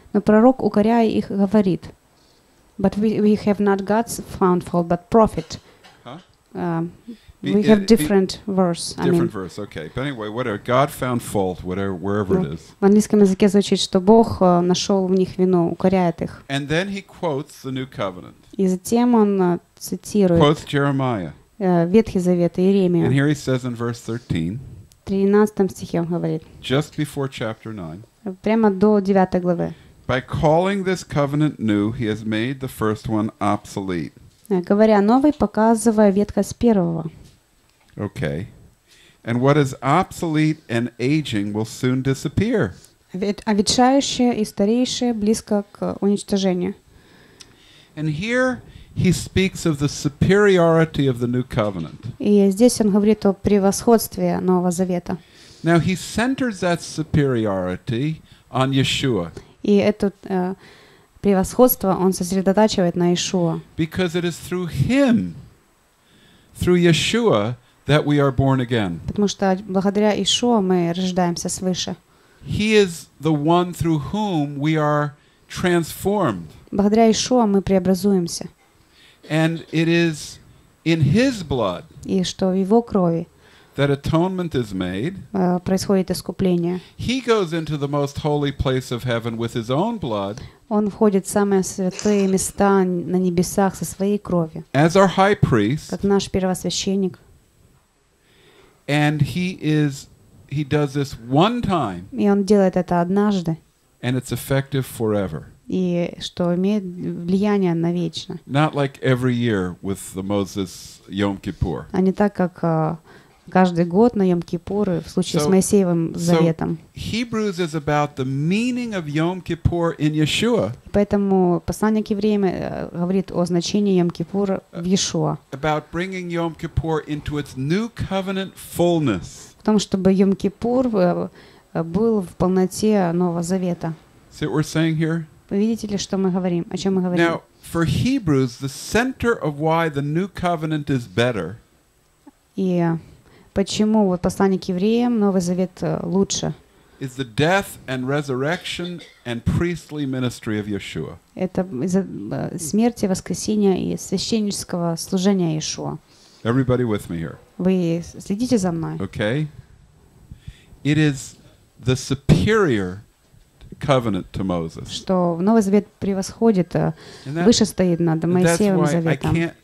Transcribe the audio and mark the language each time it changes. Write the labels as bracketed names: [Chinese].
[Russian] Но пророк укоряя их говорит. [English] But we have not God found fault, but prophet. Huh? We have different verse. Different verse, okay. But anyway, whatever. God found fault, whatever, wherever it is. [Russian] В английском языке звучит, что Бог нашел в них вину, укоряет их. [English] And then he quotes the new covenant. [Russian] И затем он цитирует. [English] Quotes Jeremiah. [Russian] Ветхий Завет, Иеремия. [English] And here he says in verse 13. [Russian] В 13 стихе он говорит. [English] Just before chapter 9. [Russian] Прямо до 9 главы. [English] By calling this covenant new, he has made the first one obsolete. [Russian] Говоря новый, показывая ветхость первого. [English] Okay. And what is obsolete and aging will soon disappear. [Russian] А ветшающее и старейшее близко к уничтожению. [English] And here he speaks of the superiority of the new covenant. [Russian] И здесь он говорит о превосходстве Нового Завета. [English] Now he centers that superiority on Yeshua. [Russian] И это превосходство он сосредотачивает на Иешуа. [English] Because it is through him, through Yeshua, that we are born again. [Russian] Потому что благодаря Иешуа мы рождаемся свыше. [English] He is the one through whom we are transformed. [Russian] Благодаря Иешуа мы преобразуемся. [English] And it is in his blood. [Russian] И что в его крови. [English] That atonement is made. [Russian] Происходит искупление. [English] He goes into the most holy place of heaven with his own blood. [Russian] Он входит в самые святые места на небесах со своей кровью. [English] As our high priest. [Russian] Как наш первосвященник. [English] And he does this one time. [Russian] И он делает это однажды. [English] And it's effective forever. [Russian] И что имеет влияние навечно. [English] Not like every year with the Moses Yom Kippur. [Russian] А не так как каждый год на Йом-Кипур в случае с Моисеевым Заветом. [English] Hebrews is about the meaning of Yom Kippur in Yeshua. [Russian] Поэтому послание к евреям говорит о значении Йом-Кипура в Иешуа. [English] About bringing Yom Kippur into its new covenant fullness. [Russian] В том, чтобы Йом-Кипур был в полноте Нового Завета. [English] See what we're saying here? [Russian] Вы видите ли, что мы говорим, о чем мы говорим? [English] Now, for Hebrews, the center of why the new covenant is better. [Russian] И почему вот послание к евреям, Новый Завет лучше? [English] Is the death and resurrection and priestly ministry of Yeshua. [Russian] Это из-за смерти, воскресения и священнического служения Иешуа. [English] Everybody with me here. [Russian] Вы следите за мной. [English] Okay. It is the superior covenant to Moses. [Russian] Что Новый Завет превосходит, выше стоит над Моисеевым Заветом.